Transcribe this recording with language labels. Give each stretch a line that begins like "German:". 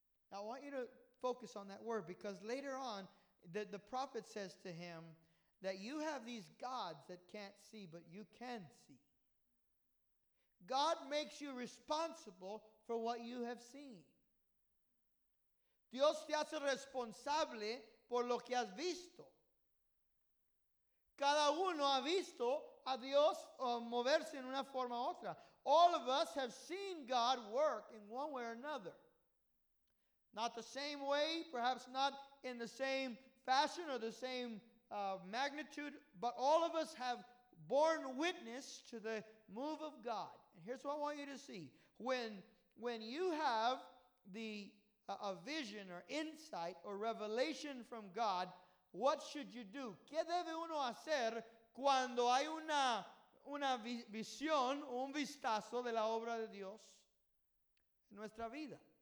English: Now, I want you to focus on that word, because later on, the prophet says to him that you have these gods that can't see, but you can see. God makes you responsible for what you have seen.
Spanish: Dios te hace responsable por lo que has visto. Cada uno ha visto a Dios moverse en una forma u otra.
English: All of us have seen God work in one way or another. Not the same way, perhaps not in the same fashion or the same magnitude, but all of us have borne witness to the move of God. And here's what I want you to see. When you have a vision or insight or revelation from God, what should you do?
Spanish: ¿Qué debe uno hacer cuando hay una visión o un vistazo de la obra de Dios en nuestra vida?